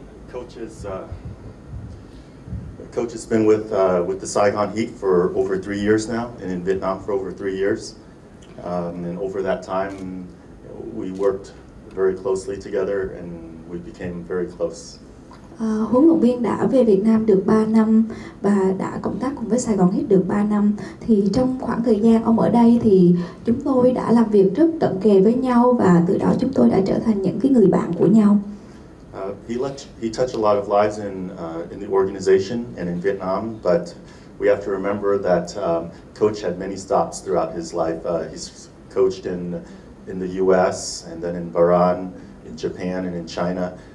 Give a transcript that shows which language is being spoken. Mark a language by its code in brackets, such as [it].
[en] Coach has been with the Saigon Heat for over 3 years now, and in Vietnam for over 3 years. And over that time, we worked very closely together, and we became very close. [vi] Huấn luyện viên đã về Việt Nam được 3 năm và đã cộng tác cùng với Sài Gòn Heat được 3 năm. Thì trong khoảng thời gian ông ở đây thì chúng tôi đã làm việc rất cận kề với nhau và từ đó chúng tôi đã trở thành những cái người bạn của nhau. [en] He touched a lot of lives in the organization and in Vietnam, but we have to remember that coach had many stops throughout his life. He's coached in the US and then in Bahrain, in Japan and in China.